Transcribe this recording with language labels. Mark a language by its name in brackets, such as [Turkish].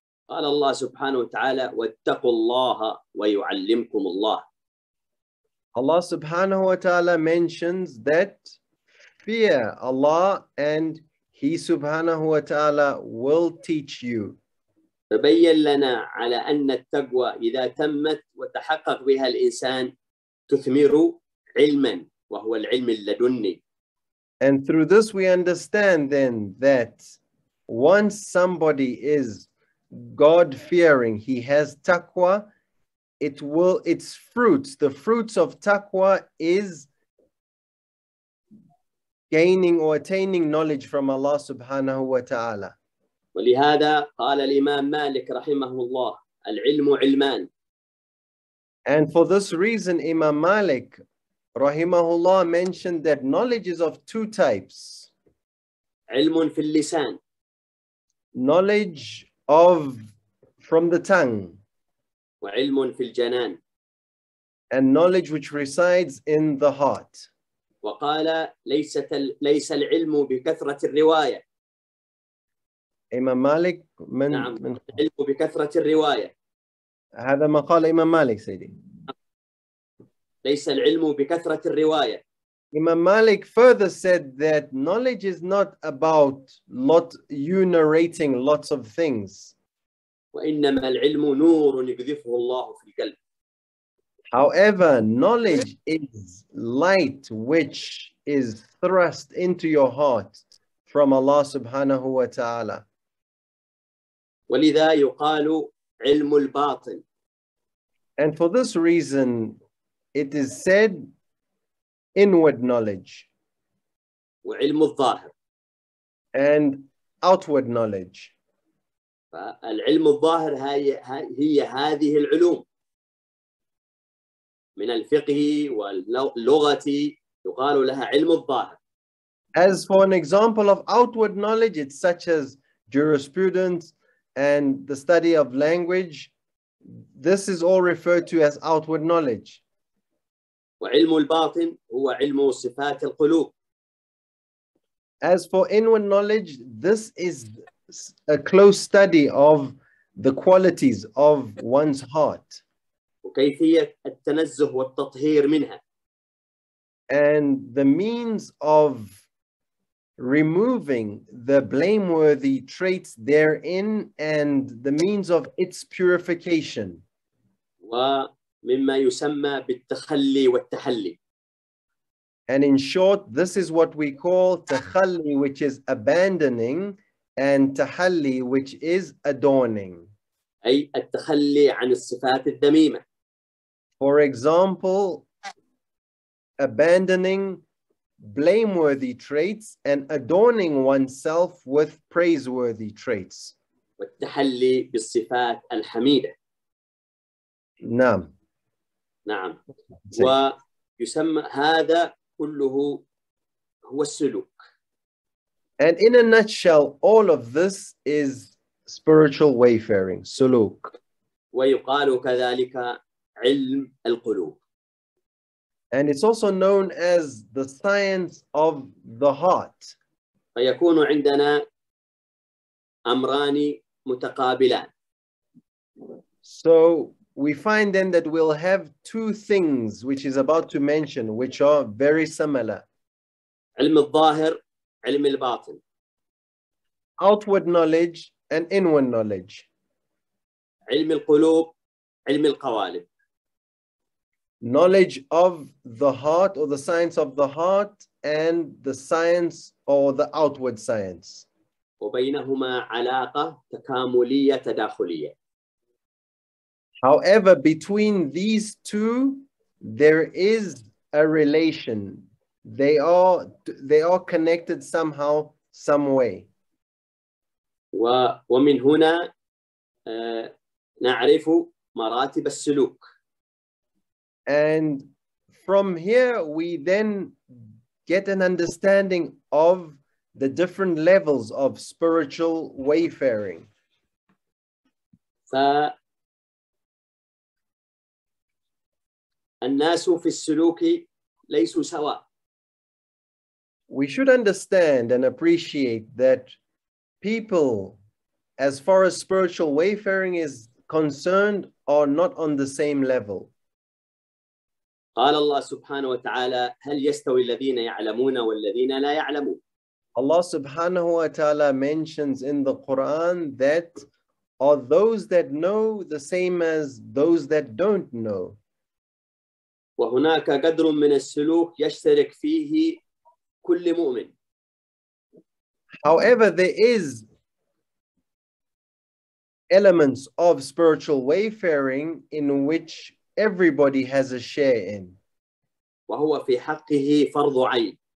[Arabic] قال الله سبحانه وتعالى واتقوا الله ويعلمكم الله. [English] Allah subhanahu wa ta'ala mentions that fear Allah and He subhanahu wa ta'ala will teach you. [Arabic] تبين لنا على أن التقوى إذا تمت وتحقق بها الإنسان تثمر علما وهو العلم اللدني. [English] And through this we understand then that once somebody is God fearing, he has taqwa, the fruits of taqwa is gaining or attaining knowledge from Allah subhanahu wa ta'ala. [Arabic] ولهذا قال الإمام مالك رحمه الله العلم علمان. [English] And for this reason Imam Malik [Arabic] رحمه الله [English] mentioned that knowledge is of two types. [Arabic] علم في اللسان. [English] Knowledge from the tongue. [Arabic] وعلم في الجنان. [English] And knowledge which resides in the heart. [Arabic] وقال ليس العلم بكثرة الرواية. [English] Imam Malik [Arabic] من العلم بكثرة الرواية. هذا ما قال Imam Malik سيدي. ليس العلم بكثرة الرواية. [English] Imam Malik further said that knowledge is not about you narrating lots of things. [Arabic] وإنما العلم نور يقذفه الله في القلب. [English] However, knowledge is light which is thrust into your heart from Allah subhanahu wa ta'ala. [Arabic] ولذا يقال علم الباطن. [English] And for this reason, it is said inward knowledge. [Arabic] وعلم الظاهر. [English] And outward knowledge. [Arabic] فالعلم الظاهر هي هذه العلوم من الفقه واللغة يقال لها علم الظاهر. [English] As for an example of outward knowledge, it's such as jurisprudence and the study of language. This is all referred to as outward knowledge. [Arabic] وعلم الباطن هو علم صفات القلوب. [English] As for inward knowledge, this is a close study of the qualities of one's heart. [Arabic] وكيفية التنزه والتطهير منها. [English] And the means of removing the blameworthy traits therein and the means of its purification. [Arabic] و مما يسمى بالتخلي والتحلي. [English] And in short, this is what we call تخلي, which is abandoning, and تحلي, which is adorning. [Arabic] أي التخلي عن الصفات الذميمة. [English] For example, abandoning blameworthy traits and adorning oneself with praiseworthy traits. [Arabic] والتحلي بالصفات الحميدة. نعم. نعم. ويسمى هذا كله هو السلوك. [English] And in a nutshell, all of this is spiritual wayfaring, سلوك. [Arabic] ويقال كذلك علم القلوب. [English] And it's also known as the science of the heart. [Arabic] فيكون عندنا أمران متقابلان. [English] So we find then that we'll have two things which is about to mention, which are very similar. [Arabic] علم الظاهر, علم الباطن. [English] Outward knowledge and inward knowledge. [Arabic] علم القلوب, علم القوالب. [English] Knowledge of the heart or the science of the heart and the science or the outward science. [Arabic] وبينهما علاقة تكاملية تداخلية. [English] However, between these two, there is a relation. They are connected somehow, some way. [Arabic] ومن هنا نعرف مراتب السلوك. [English] And from here, we then get an understanding of the different levels of spiritual wayfaring. [Arabic] الناس في السلوك ليسوا سواء. [English] We should understand and appreciate that people, as far as spiritual wayfaring is concerned, are not on the same level. [Arabic] قال الله سبحانه وتعالى هل يستوي الذين يعلمون والذين لا يعلمون. [English] Allah subhanahu wa ta'ala mentions in the Quran that are those that know the same as those that don't know. [Arabic] وهناك قدر من السلوك يشترك فيه كل مؤمن. [English] However, there is elements of spiritual wayfaring in which everybody has a share in. [Arabic] وهو في حقه فرض عين.